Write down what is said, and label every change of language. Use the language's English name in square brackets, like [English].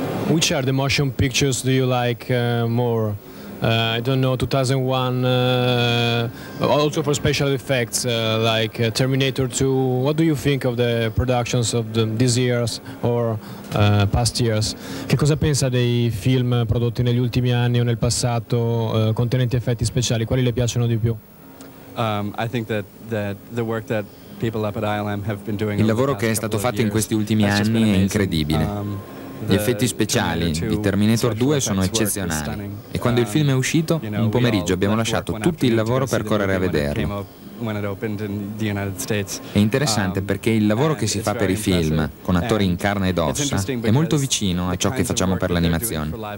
[English] Which are the motion pictures do you like more? I don't know, 2001, also for special effects, like Terminator 2. What do you think of the productions of these years or past years? [Italian] Che cosa pensa dei film prodotti negli ultimi anni o nel passato contenenti effetti speciali? Quali le piacciono di più? [English] I think that the work that people up at ILM have been doing. [Italian] Il lavoro che è stato fatto in questi ultimi anni è incredibile. Gli effetti speciali di Terminator 2 sono eccezionali e quando il film è uscito, un pomeriggio abbiamo lasciato tutti il lavoro per correre a vederlo. È interessante perché il lavoro che si fa per i film, con attori in carne ed ossa, è molto vicino a ciò che facciamo per l'animazione.